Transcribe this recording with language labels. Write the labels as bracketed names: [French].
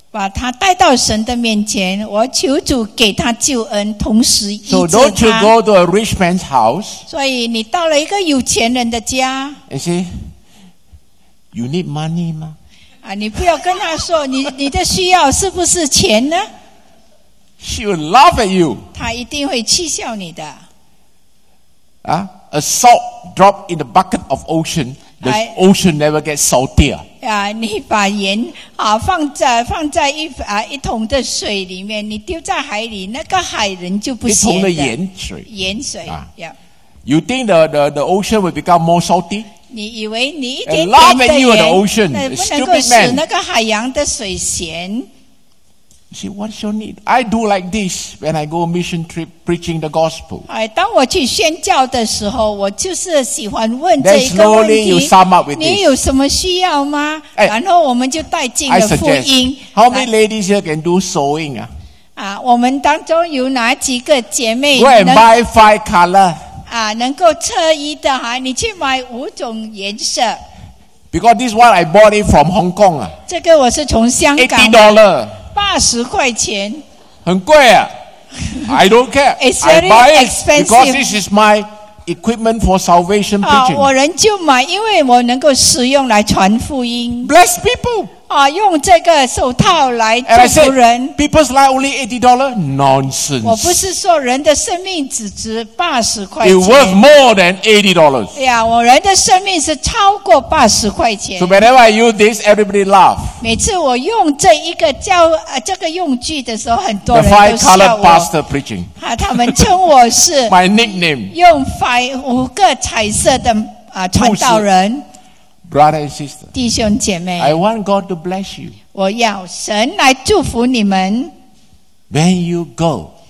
[Chinese] 把她带到神的面前，我求主给她救恩，同时医治她。 [English] So don't you go to a rich man's house. [Chinese] 所以你到了一个有钱人的家。 [English] And say, you need money 吗？ [Chinese] 啊，你不要跟他说你的需要是不是钱呢 [English] ？She will laugh at you. [Chinese] 他一定会气笑你的。 [English] 啊 ，a salt drop in the bucket of ocean, the ocean never gets saltier. [Chinese] 啊，你把盐啊放在一桶的水里面，你丢在海里，那个海人就不咸的。一桶的盐水 [English] 啊 ，Yeah. You think the ocean will become more salty? [Chinese] 你以为你一点点的盐，那不能够使那个海洋的水咸。 [English] See what's your need? I do like this when I go mission trip preaching the gospel. [Chinese] 哎，当我去宣教的时候，我就是喜欢问这一个问题。 [English] Then slowly you sum up with this. [Chinese] 你有什么需要吗？哎，然后我们就带进了福音。 [English] I suggest. How many ladies here can do sewing? [Chinese] 我们当中有哪几个姐妹 [English] ？Go and buy five color. [Chinese] 啊，能够测衣的哈，你去买五种颜色。 [English] Because this one I bought it from Hong Kong 啊。 [Chinese] 这个我是从香港。 [English] $80。 [Chinese] 八十块钱。很贵啊。 [English] I don't care. It's very expensive. I buy it because this is my equipment for salvation preaching. [Chinese] 啊，我人就买，因为我能够使用来传福音。 [English] Bless people. [Chinese] 啊，用这个手套来救人。 [English] People's life only $80? Nonsense. [Chinese] 我不是说人的生命只值80块 [English] 钱。It's worth more than $80. [Chinese] 对啊，我人的生命是超过80块钱。 [English] So whenever I use this, everybody laughs. [Chinese] 每次我用这一个叫这个用具的时候，很多人都笑我。 [English] The five-colored pastor preaching. [Chinese] 啊，他们称我是。 [English] My nickname. [Chinese] 用五个彩色的传道人。 [English] Brother and sister, [Chinese] 弟兄姐妹 [English] I want God to bless you. [Chinese] 我要神来祝福你们 [English] When you go,